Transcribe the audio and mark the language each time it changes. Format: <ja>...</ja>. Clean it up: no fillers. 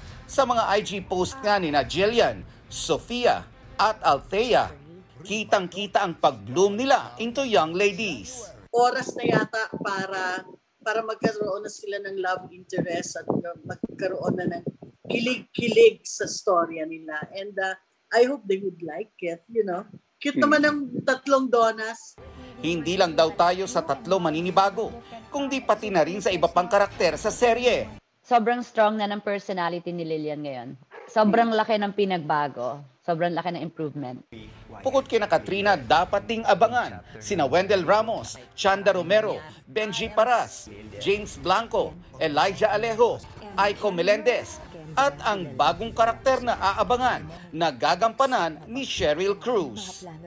<tl>Sa mga IG post nga ni na Jillian, Sofia at Althea, kitang-kita ang pag-bloom nila</tl> <en>into young ladies.</en> <tl>Oras na yata para magkaroon na sila ng love interest at magkaroon na ng kilig-kilig sa storya nila.</tl> <en>And I hope they would like it, you know.</en> <tl>Cute naman ang tatlong donas. Hindi lang daw tayo sa tatlo maninibago, kundi pati na rin sa iba pang karakter sa serye. Sobrang strong na ng personality ni Lillian ngayon. Sobrang laki ng pinagbago. Sobrang laki ng improvement. Pukot kina Katrina, dapat ding abangan sina Wendell Ramos, Chanda Romero, Benji Paras, James Blanco, Elijah Alejo, Aiko Melendez, at ang bagong karakter na aabangan na gagampanan ni Cheryl Cruz.</tl>